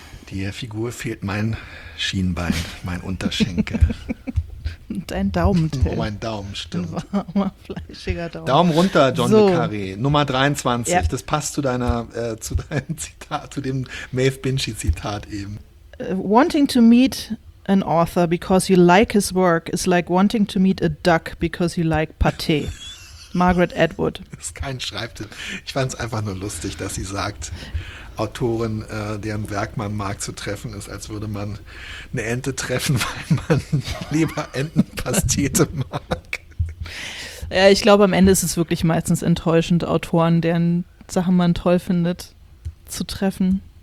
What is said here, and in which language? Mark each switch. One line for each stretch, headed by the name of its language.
German: Der Figur fehlt mein Schienbein, mein Unterschenkel. Dein Daumen, Till. Oh, mein Daumen, stimmt. Warmer, fleischiger Daumen. Daumen runter, John so. Le Carré. Nummer 23, ja. Das passt zu deinem Zitat, zu dem Maeve Binchy-Zitat eben.
English: Wanting to meet an author because you like his work is like wanting to meet a duck because you like Pâté.
German: Margaret Atwood. Das ist kein Schreibtipp. Ich fand es einfach nur lustig, dass sie sagt, Autorin, deren Werk man mag, zu treffen ist, als würde man eine Ente treffen, weil man lieber Entenpastete mag. Ja, ich glaube, am Ende ist es wirklich meistens enttäuschend, Autoren, deren Sachen man toll findet, zu treffen.